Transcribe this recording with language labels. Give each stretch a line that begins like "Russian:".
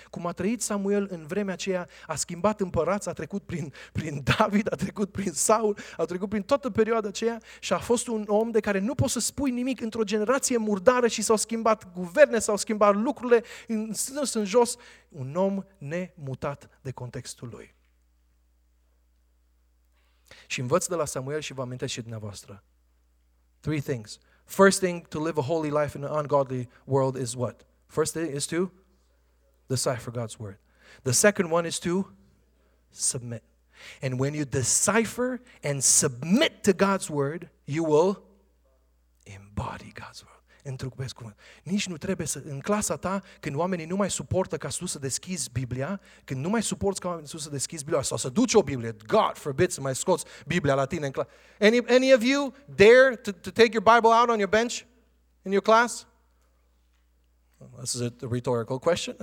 Romanian: Cum a trăit Samuel în vremea aceea, a schimbat împărați, a trecut prin David, a trecut prin Saul, a trecut prin toată perioada aceea și a fost un om de care nu poți să spui nimic într-o generație murdară și s-au schimbat guverne, s-au schimbat lucrurile în sus, în jos, un om nemutat de contextul lui. Și învăț de la Samuel și vă amintesc și dumneavoastră.
English: Three things. First thing to live a holy life in an ungodly world is what? First thing is to decipher God's word. The second one is to submit. And when you decipher and submit to God's word, you will embody God's word.
Romanian: Întrucupesc cuvânt. Nici nu trebuie să, în clasa ta, când oamenii nu mai suportă ca tu să deschizi Biblia, când nu mai suporți ca oamenii să deschizi Biblia, sau să duci o Biblie,
English: God forbid,
Romanian: să mai scoți Biblia la tine în clasă.
English: Any of you dare to take your Bible out on your bench in your class? This is a rhetorical question.